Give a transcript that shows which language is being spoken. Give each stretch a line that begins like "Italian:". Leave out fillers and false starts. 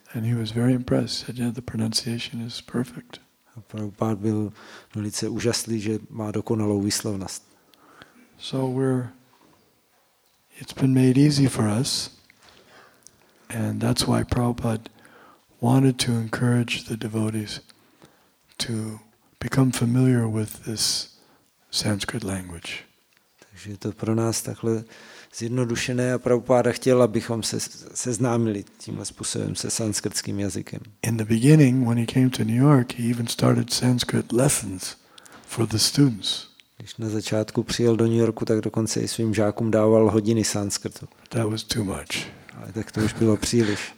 English: And he was very impressed, said, yeah, the pronunciation is perfect.
Czech: A Prabhupád byl velice úžasný, že má dokonalou výslovnost.
English: So we're, it's been made easy for us, and that's why Prabhupád wanted to encourage the devotees to become familiar with this Sanskrit language.
Czech: Takže to pro nás takhle zjednodušené a Prabhupáda chtěl, abychom se seznámili tímhle způsobem se sanskrtským jazykem.
English: In the beginning, when he came to New York, he even started Sanskrit lessons for the students.
Czech: Když na začátku přijel do New Yorku, tak dokonce i svým žákům dával hodiny sanskrtu.
English: That was too much.
Czech: Ale tak to už bylo příliš.